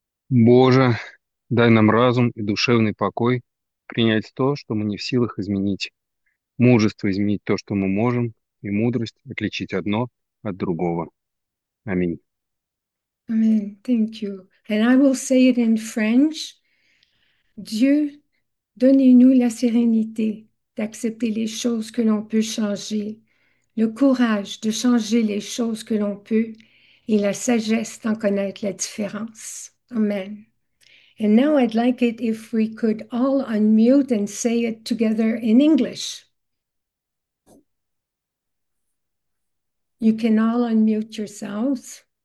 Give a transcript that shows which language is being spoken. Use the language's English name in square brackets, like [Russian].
[Russian] Боже, дай нам разум и душевный покой принять то, что мы не в силах изменить. Мужество изменить то, что мы можем, и мудрость отличить одно от другого. Аминь. [English] Amen. Thank you. And I will say it in French. [French] Dieu, donnez-nous la sérénité d'accepter les choses que l'on peut changer, le courage de changer les choses que l'on peut et la sagesse d'en connaître la différence. [English] Amen. And now I'd like it if we could all unmute and say it together in English. You can all unmute yourselves.